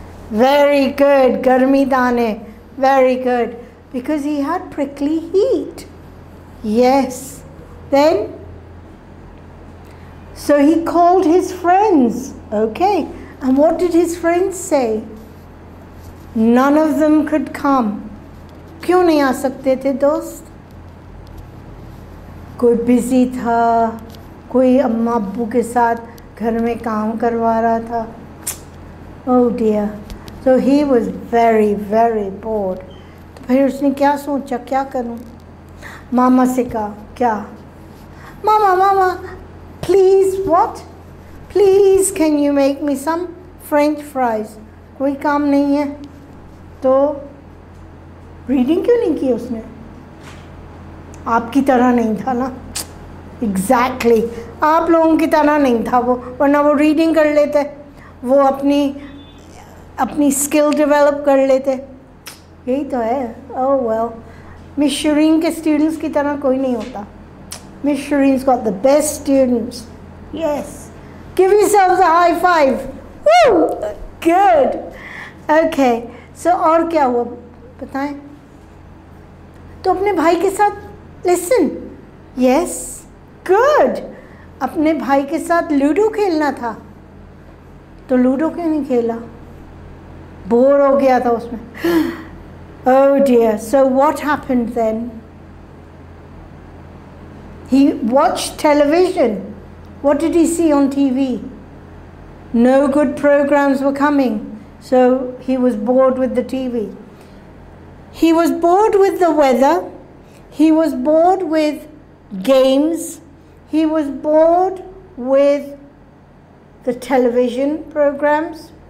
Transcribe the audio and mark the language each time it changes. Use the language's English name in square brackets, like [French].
[English] Very good. [Hindi] Garmi dane. [English] Very good. Because he had prickly heat. Yes. Then? So he called his friends. Okay. And what did his friends say? None of them could come. [Hindi] क्यों नहीं आ सकते थे दोस्त? कोई busy था, कोई अम्मा अब्बू के साथ घर में काम करवा रहा था. [English] Oh dear. So he was very, very bored. [Hindi] तो फिर उसने क्या सोचा, क्या करूँ? मामा से कहा, क्या? [English] मामा, मामा, please what? Please can you make me some French fries? [Hindi] कोई काम नहीं है. तो रीडिंग क्यों नहीं की उसने? आपकी तरह नहीं था ना. एग्जैक्टली, आप लोगों की तरह नहीं था वो, वरना वो रीडिंग कर लेते, वो अपनी अपनी स्किल डेवलप कर लेते. यही तो है. ओह वेल, मिस शरीन के स्टूडेंट्स की तरह कोई नहीं होता. [English] Miss Shareen's got the best students. Yes, give yourselves a high five. [Hindi] Wu, good. Okay, सो और क्या हुआ बताएं? तो अपने भाई के साथ, [English] listen, yes, good, [Hindi] अपने भाई के साथ लूडो खेलना था. तो लूडो क्यों नहीं खेला? बोर हो गया था उसमें. [English] Oh dear, so what happened then? He watched television. What did he see on TV? No good programmes were coming. So he was bored with the TV. He was bored with the weather. He was bored with games. He was bored with the television programs.